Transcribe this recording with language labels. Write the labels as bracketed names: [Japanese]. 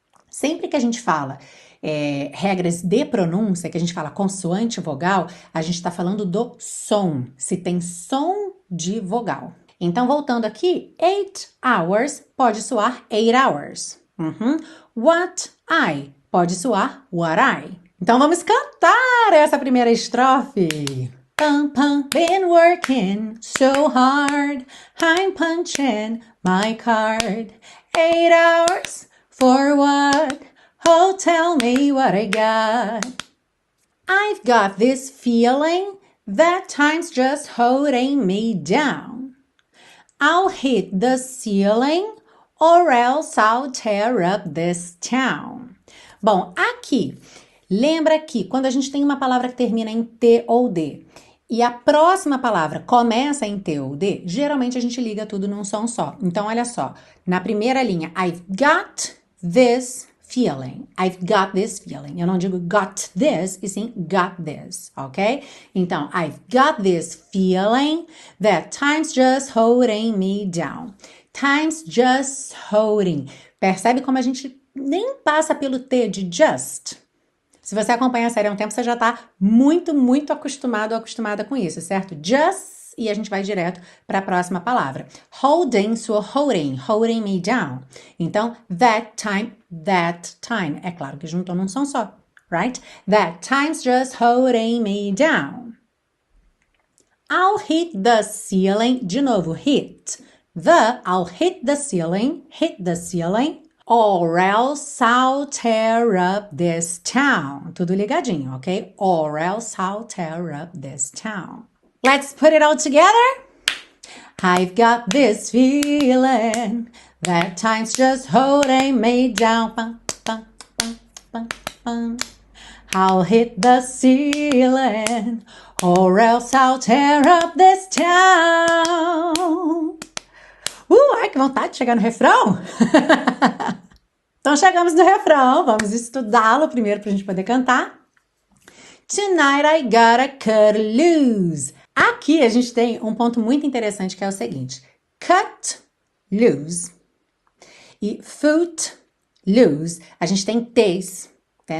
[Portuguese] Sempre que a gente fala regras de pronúncia, que a gente fala consoante, vogal, a gente está falando do som, se tem som de vogal. Então, voltando aqui, [English] 8 hours [Portuguese] pode soar 8 hours. Uhum. [English] What I... [Portuguese] pode soar what I. Então vamos cantar essa primeira estrofe. [English] Pum, pum, been working so hard, I'm punching my card. 8 hours for what? Oh, tell me what I got. I've got this feeling that time's just holding me down. I'll hit the ceiling or else I'll tear up this town. [Portuguese] Bom, aqui, lembra que quando a gente tem uma palavra que termina em T ou D e a próxima palavra começa em T ou D, geralmente a gente liga tudo num som só. Então, olha só, na primeira linha, [English] I've got this feeling. I've got this feeling. [Portuguese] Eu não digo [English] got this, [Portuguese] e sim [English] got this, ok? Então, I've got this feeling that time's just holding me down. Time's just holding. [Portuguese] Percebe como a gente... nem passa pelo T de just. Se você acompanha a série há um tempo, você já está muito, muito acostumado ou acostumada com isso, certo? Just, e a gente vai direto para a próxima palavra. [English] Holding, so holding, holding me down. [Portuguese] Então, that time, é claro que juntou num som só, [English] right? That time's just holding me down. I'll hit the ceiling, [Portuguese] de novo, [English] hit. I'll hit the ceiling. Or else I'll tear up this town. [Portuguese] Tudo ligadinho, [English] ok? Or else I'll tear up this town. Let's put it all together. I've got this feeling that time's just holding me down. Bum, bum, bum, bum, bum. I'll hit the ceiling or else I'll tear up this town. [Portuguese] Ai, que vontade de chegar no refrão. Então chegamos no refrão, vamos estudá-lo primeiro para a gente poder cantar. [English] Tonight I gotta cut loose. [Portuguese] Aqui a gente tem um ponto muito interessante que é o seguinte. [English] Cut loose [Portuguese] e [English] foot loose, [Portuguese] a gente tem T's. Né?